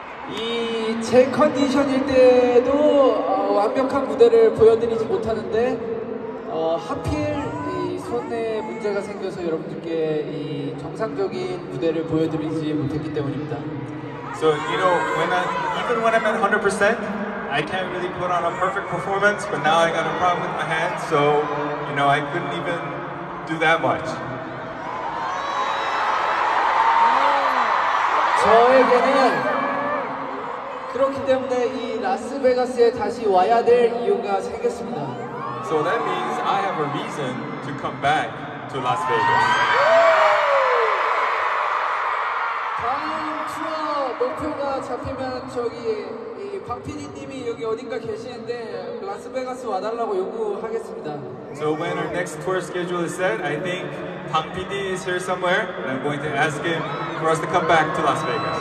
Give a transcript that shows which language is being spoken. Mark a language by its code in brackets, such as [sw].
[ko] 이 제 컨디션일 때도 완벽한 무대를 보여드리지 못하는데 하필 이 손에 문제가 생겨서 여러분들께 이 정상적인 무대를 보여드리지 못했기 때문입니다. [en] So you know, even when I'm at 100%, I can't really put on a perfect performance. But now I got a problem with my hand, so you know I couldn't even. Do that much. [ko] 저에게는 그렇기 때문에 이 라스베가스에 다시 와야 될 이유가 생겼습니다. [en] So that means I have a reason to come back to Las Vegas. [ko] 다음 투어 목표가 잡히면 저기 이 방피디님이 여기 어딘가 계시는데 라스베가스 와달라고 요구하겠습니다. [en] So when our next tour schedule is set, I think Bang PD is here somewhere, and I'm going to ask him for us to come back to Las Vegas.